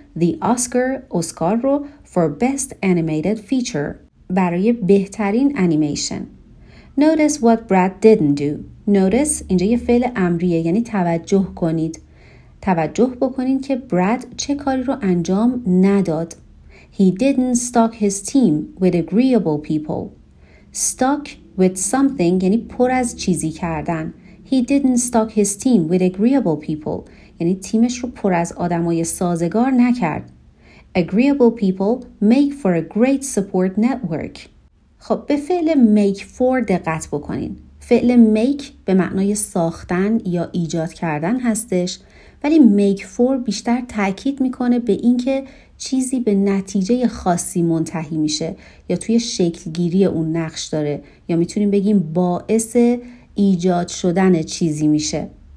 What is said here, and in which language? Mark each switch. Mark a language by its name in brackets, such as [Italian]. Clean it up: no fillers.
[English] The Oscar، [Persian] اسکار رو، [English] for best animated feature، [Persian] برای بهترین انیمیشن. [English] Notice what Brad didn't do. [Persian] Notice اینجا یه فعل امریه، یعنی توجه کنید. توجه بکنین که براد چه کاری رو انجام نداد. [English] He didn't stock his team with agreeable people. [Persian] Stock with something یعنی پر از چیزی کردن. [English] He didn't stock his team with agreeable people. [Persian] یعنی تیمش رو پر از آدمای سازگار نکرد. [English] Agreeable people make for a great support network. [Persian] خب به فعل make for دقت بکنین. فعل make به معنای ساختن یا ایجاد کردن هستش، ولی make for بیشتر تاکید میکنه به اینکه چیزی به نتیجه خاصی منتهی میشه یا توی شکل گیری اون نقش داره، یا میتونیم بگیم باعث ایجاد شدن چیزی میشه.